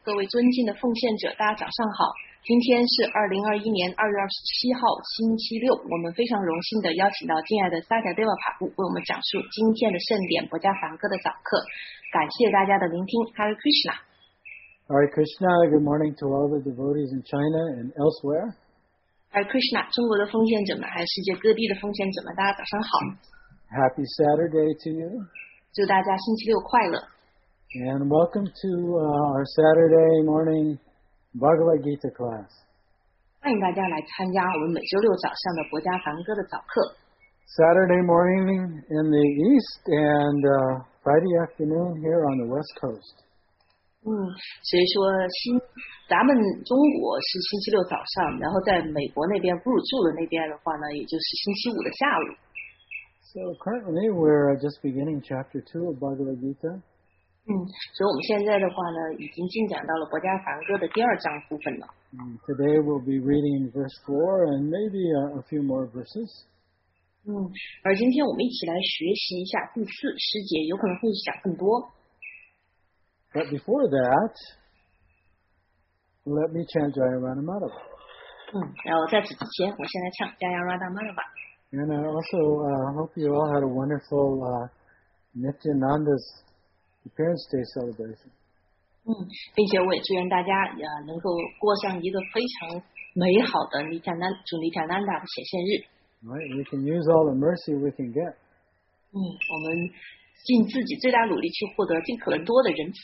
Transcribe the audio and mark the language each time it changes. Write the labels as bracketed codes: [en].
[zh] 各位尊敬的奉献者，大家早上好。今天是2021年2月27号星期六，我们非常荣幸地邀请到敬爱的萨迦德瓦帕布为我们讲述今天的盛典博加凡戈的早课。感谢大家的聆听。Hare Krishna [en] Hare Krishna, good morning to all the devotees in China and elsewhere. [zh] Hare Krishna, 中国的奉献者们还有世界各地的奉献者们，大家早上好。 [en] Happy Saturday to you. [zh] 祝大家星期六快乐。 [en] And welcome to our Saturday morning Bhagavad Gita class. [zh] 欢迎大家来参加我们每周六早上的博加凡戈的早课。 [en] Saturday morning in the east and Friday afternoon here on the west coast. [zh] 所以说咱们中国是星期六早上，然后在美国那边布鲁住的那边的话呢，也就是星期五的下午。 [en] So currently we're just beginning chapter 2 of Bhagavad Gita. [zh] 所以我们现在的话呢，已经进展到了博加凡戈的第二章部分了。 [en] Today we'll be reading verse 4 and maybe a few more verses. [zh] 而今天我们一起来学习一下第四十节，有可能会讲更多。 [en] But before that, let me chant Jayarada Madhava. [zh] 然后在此之前，我先来唱 Jayarada Madhava。 [en] And I also hope you all had a wonderful Nityananda's. Parents' Day celebration. [zh] 并且我也祝愿大家能够过上一个非常美好的主尼贾南达的显现日。 [en] Right, we can use all the mercy we can get. [zh] 我们尽自己最大努力去获得尽可能多的仁慈。